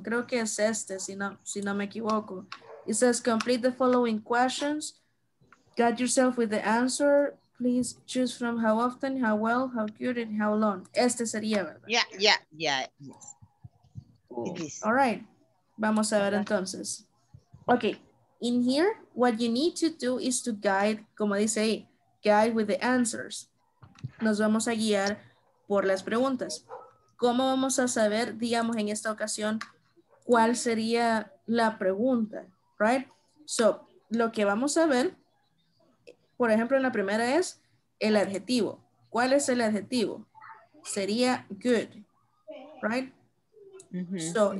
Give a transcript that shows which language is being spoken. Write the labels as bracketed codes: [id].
[es] Creo que es este, si no me equivoco. [en] It says complete the following questions. Get yourself with the answer. Please choose from how often, how well, how good, and how long. [es] Este sería, ¿verdad? [en] Yeah. Cool. All right. [es] Vamos a ver entonces. [en] Okay. In here, what you need to do is to guide, [es] como dice ahí, [en] guide with the answers. [es] Nos vamos a guiar por las preguntas. ¿Cómo vamos a saber, digamos, en esta ocasión, cuál sería la pregunta? Right? So, lo que vamos a ver, por ejemplo, en la primera es el adjetivo. ¿Cuál es el adjetivo? Sería good. Right? Mm-hmm. So, mm-hmm.